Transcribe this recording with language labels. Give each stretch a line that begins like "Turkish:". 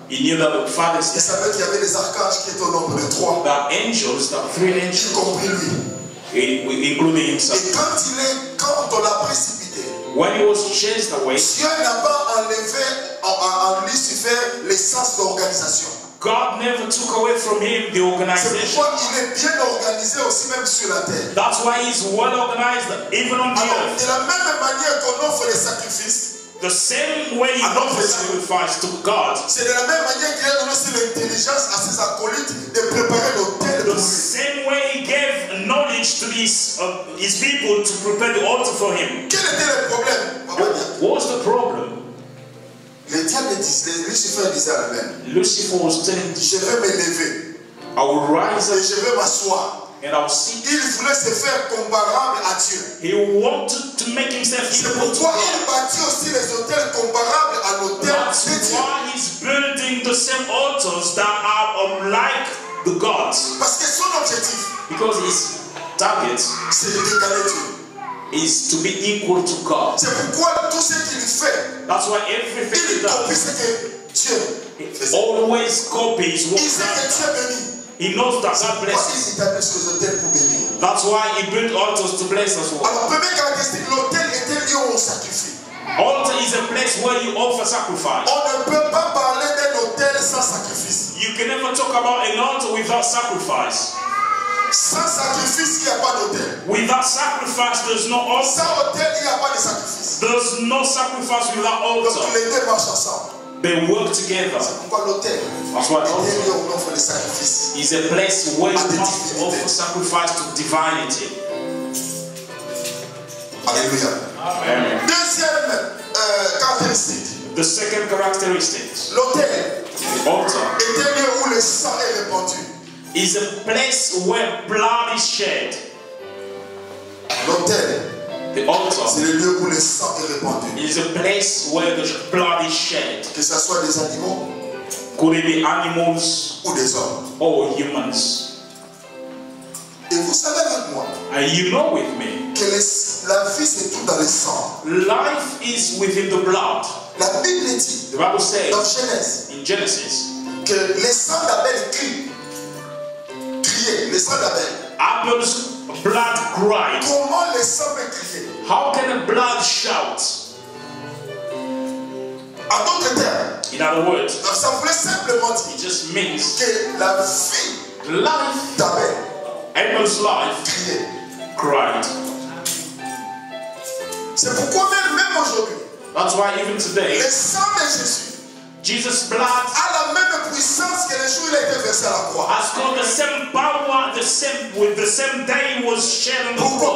English: He knew that the Father is there.
French: Il savait qu'il y avait des archanges qui étaient au nombre de trois.
English: That angels, that three angels.
French: Y compris lui.
English: Including himself.
French: Et quand il est, quand on l'a précipité.
English: When he was chased away.
French: Dieu n'a pas enlevé en Lucifer l'essence d'organisation.
English: God never took away from him the organization.
French: Il est bien organisé aussi même sur la terre.
English: That's why he's well organized even on the earth.
French: De la même manière qu'on offre les sacrifices,
English: the same way he offers sacrifice to God.
French: C'est de la même manière qu'il a donné aussi l'intelligence à ses acolytes de préparer l'autel.
English: The same way he gave knowledge to his people to prepare the altar for him.
French: Quel était le problème?
English: What was the problem?
French: Le diable dit, Lucifer disait à la même.
English: Lucifer was telling,
French: je vais m'élever.
English: I will rise
French: et je vais m'asseoir.
English: And I will sit.
French: Il voulait se faire comparable à Dieu.
English: He wanted to make himself equal.
French: C'est pourquoi il bâtit aussi les hôtels comparables à l'hôtel de Dieu.
English: That's why he's building the same altars that are unlike the gods.
French: Parce que son objectif,
English: because his target,
French: c'est de décaler Dieu.
English: Is to be equal to God.
French: C'est pourquoi tout ce qu'il fait,
English: that's why everything
French: il copie ce que Dieu fait.
English: Always copies what
French: il sait que Dieu bénit.
English: He knows that God blesses. That's why he built altars to bless us.
French: Alors, l'hôtel est un lieu où on sacrifie.
English: Altar is a place where you offer sacrifice.
French: On ne peut pas parler d'un hôtel sans sacrifice.
English: You can never talk about an altar without sacrifice.
French: Sans sacrifice, il n'y a pas d'autel.
English: Without sacrifice, there's no altar.
French: Sans autel, il n'y a pas de sacrifice.
English: There's no sacrifice without altar.
French: Donc les deux marchent ensemble.
English: They work together.
French: C'est pourquoi l'autel.
English: That's why the altar.
French: Lieu où on offre les sacrifices.
English: Is a place where you must offer sacrifice to divinity. Alléluia. Amen.
French: Deuxième caractéristique.
English: The second characteristic.
French: L'autel.
English: The altar.
French: Est un lieu où le sang est répandu.
English: Is a place where blood is shed.
French: L'autel,
English: the altar,
French: c'est le lieu où le sang est répandu.
English: Is a place where the blood is shed.
French: Que ça soit des animaux,
English: could it be animals,
French: ou des hommes,
English: or humans.
French: Et vous savez avec moi,
English: and you know with me,
French: que la vie c'est tout dans le sang.
English: Life is within the blood.
French: La Bible dit,
English: the Bible says,
French: dans Genèse,
English: in Genesis,
French: que le sang d'Abel crie. Le sang d'Abel.
English: Abel's blood cried.
French: Comment le sang peut crier?
English: How can a blood shout?
French: En d'autres termes,
English: in other words,
French: ça voulait simplement dire,
English: it just means
French: que la vie,
English: life
French: d'Abel,
English: Abel's life
French: crier,
English: cried.
French: C'est pourquoi même aujourd'hui,
English: that's why even today,
French: le sang de Jésus,
English: Jesus' blood,
French: a la même puissance que le jour où il a été versé à la croix.
English: Has got the same power, the same with the same day he was shed on the cross.